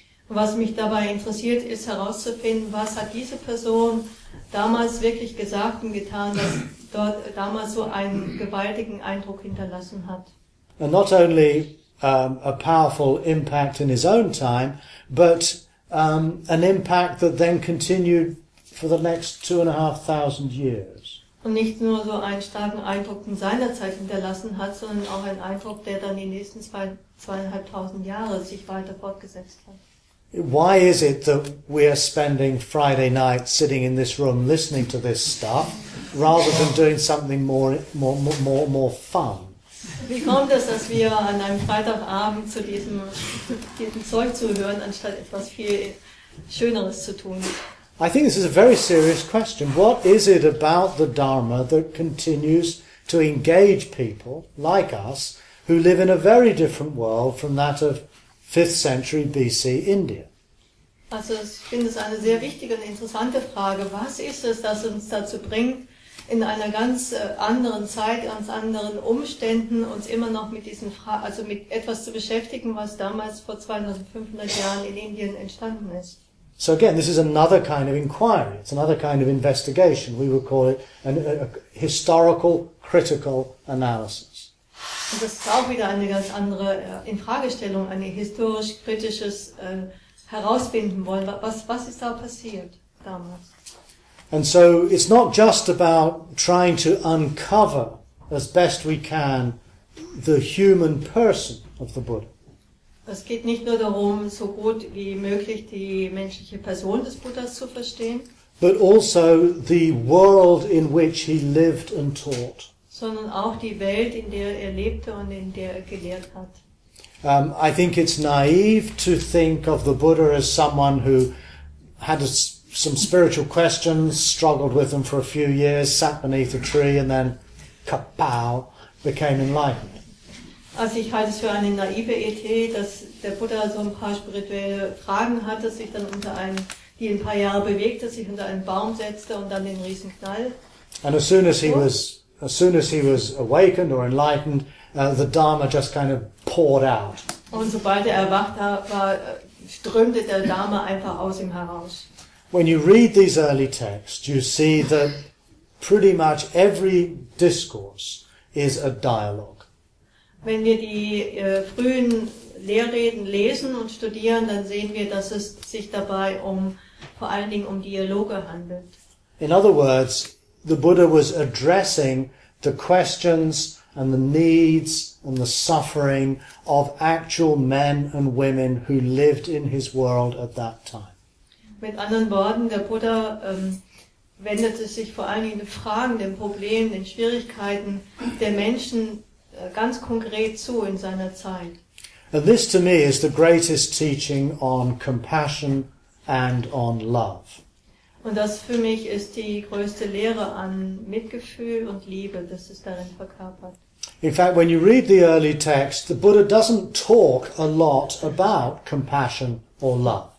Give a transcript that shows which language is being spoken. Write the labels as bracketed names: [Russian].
[German] Was mich dabei interessiert, ist herauszufinden, was hat diese Person damals wirklich gesagt und getan, dass dort damals so einen gewaltigen Eindruck hinterlassen hat. [English] And not only a powerful impact in his own time, but an impact that then continued for the next 2,500 years. [German] Und nicht nur so einen starken Eindruck in seiner Zeit hinterlassen hat, sondern auch einen Eindruck, der dann die nächsten 2,500 Jahre sich weiter fortgesetzt hat. [English] Why is it that we are spending Friday night sitting in this room listening to this stuff, rather than doing something more fun? [German] Wie kommt es, dass wir an einem Freitagabend zu diesem Zeug zuhören, anstatt etwas viel Schöneres zu tun? [English] I think this is a very serious question. What is it about the Dharma that continues to engage people like us who live in a very different world from that of 5th century BC India? [German] Also, ich finde es eine sehr wichtige und interessante Frage. Was ist es, das uns dazu bringt, in einer ganz anderen Zeit, ganz anderen Umständen uns immer noch mit diesen also mit etwas zu beschäftigen, was damals vor 2500 Jahren in Indien entstanden ist? [English] So again, this is another kind of inquiry. It's another kind of investigation. We would call it a historical critical analysis. [German] Und das ist auch wieder eine ganz andere Infragestellung, ein historisch-kritisches Herausfinden wollen. Was ist da passiert damals? [English] And so it's not just about trying to uncover as best we can the human person of the Buddha. [German] Es geht nicht nur darum, so gut wie möglich die menschliche Person des Buddhas zu verstehen, [English] but also the world in which he lived and taught. [German] Sondern auch die Welt, in der er lebte und in der er gelehrt hat. [English] I think it's naive to think of the Buddha as someone who had some spiritual questions, struggled with them for a few years, sat beneath a tree and then kapow, became enlightened. [German] Also ich halte es für eine naive Idee, dass der Buddha so ein paar spirituelle Fragen hatte, sich dann unter einen, die ein paar Jahre bewegte, sich unter einen Baum setzte und dann den riesen Knall. [English] And as soon as he was awakened or enlightened, the Dharma just kind of poured out. [German] Und sobald er erwacht war, strömte der Dharma einfach aus ihm heraus. [English] When you read these early texts, you see that pretty much every discourse is a dialogue. [German] Wenn wir die frühen Lehrreden lesen und studieren, dann sehen wir, dass es sich dabei vor allen Dingen um Dialoge handelt. [English] In other words, the Buddha was addressing the questions and the needs and the suffering of actual men and women who lived in his world at that time. [German] Mit anderen Worten, der Buddha wendete sich vor allen Dingen den Fragen, den Problemen, den Schwierigkeiten der Menschen ganz konkret zu in seiner Zeit. [English] And this to me is the greatest teaching on compassion and on love. [German] Und das für mich ist die größte Lehre an Mitgefühl und Liebe, das ist darin verkörpert. [English] In fact, when you read the early text, the Buddha doesn't talk a lot about compassion or love.